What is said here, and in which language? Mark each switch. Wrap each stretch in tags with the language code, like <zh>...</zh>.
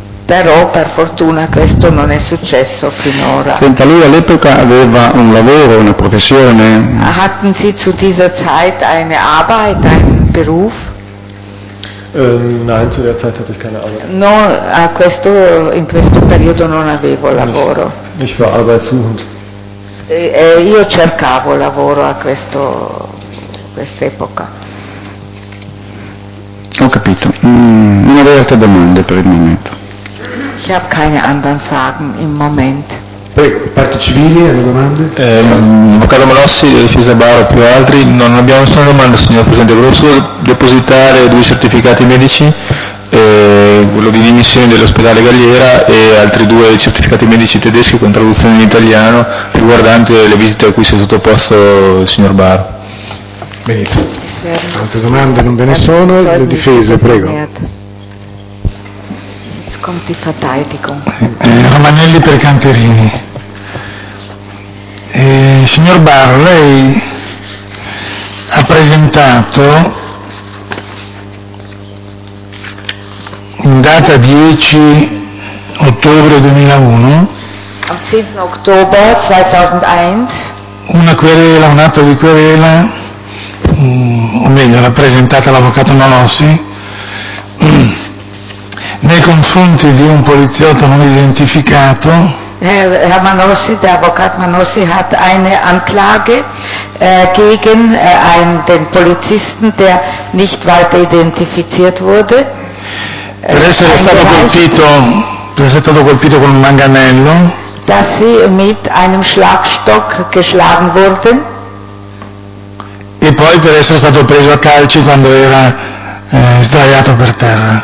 <it>Però per fortuna questo non è successo finora. Senta, lui all'epoca aveva un lavoro, una professione?</it> <de>Hatten Sie zu dieser Zeit eine Arbeit, einen Beruf? Nein, zu der Zeit hatte ich keine Arbeit.</de> <it>No, in questo periodo non avevo lavoro.</it> <de>Ich war arbeitssuchend.</de> <it>Io cercavo lavoro a questo quest'epoca. Ho capito. Non avevo altre domande per il momento.</it> <de>Ich habe keine anderen Fragen im Moment.</de> <it>Parti civili, hanno domande? Avvocato Malossi, Difesa Baro, più altri, non abbiamo nessuna domanda, signor Presidente. Volevo solo depositare 2 certificati medici, quello di dimissione dell'ospedale Galliera e altri 2 certificati medici tedeschi con traduzione in italiano riguardante le visite a cui si è sottoposto il signor Baro. Benissimo. Altre domande non ve ne sono? Le difese, prego. Romanelli per Canterini. Signor Barro, lei ha presentato in data 10 ottobre 2001 10 ottobre 2001 una querela, un atto di querela, o meglio l'ha presentata l'avvocato Malossi nei confronti di un poliziotto non identificato</it> <de>Herr Manossi, der Advokat Manossi hat eine Anklage gegen den Polizisten, der nicht weiter identifiziert wurde.</de> <it>Per essere stato colpito, con un manganello.</it> <de>Dass sie mit einem Schlagstock geschlagen wurden.</de> <it>E poi per essere stato preso a calci quando era sdraiato per terra.</it>